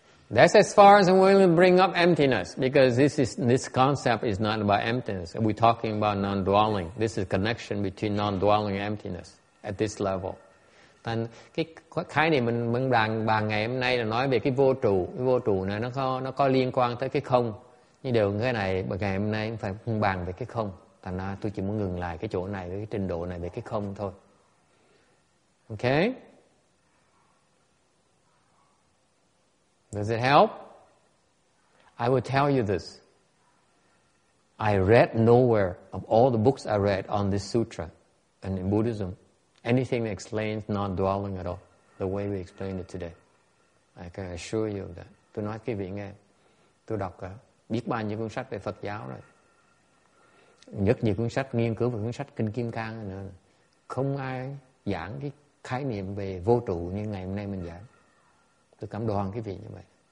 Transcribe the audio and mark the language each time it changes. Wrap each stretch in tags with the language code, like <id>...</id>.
<en>That's as far as I'm willing to bring up emptiness, because this concept is not about emptiness. We're talking about non-dwelling. This is a connection between non-dwelling and emptiness at this level.</en> <vi>Thành cái khái niệm mình bàn bàn ngày hôm nay là nói về cái vô trụ. Cái vô trụ này nó có liên quan tới cái không. Nhưng điều cái này ngày hôm nay phải không bàn về cái không. Thành tôi chỉ muốn ngừng lại cái chỗ này, cái trình độ này về cái không thôi.</vi> <en>Okay? Does it help? I will tell you this. I read nowhere of all the books I read on this sutra and in Buddhism anything that explains non-dwelling at all the way we explained it today. I can assure you that.</en> <vi>Tôi nói quý vị nghe, tôi đọc biết bao nhiêu cuốn sách về Phật giáo rồi. Rất nhiều cuốn sách nghiên cứu về cuốn sách Kinh Kim Cang nữa. Không ai giảng cái khái niệm về vô trụ như ngày hôm nay mình giảng. Tôi cảm đoan cái vị như vậy.</vi>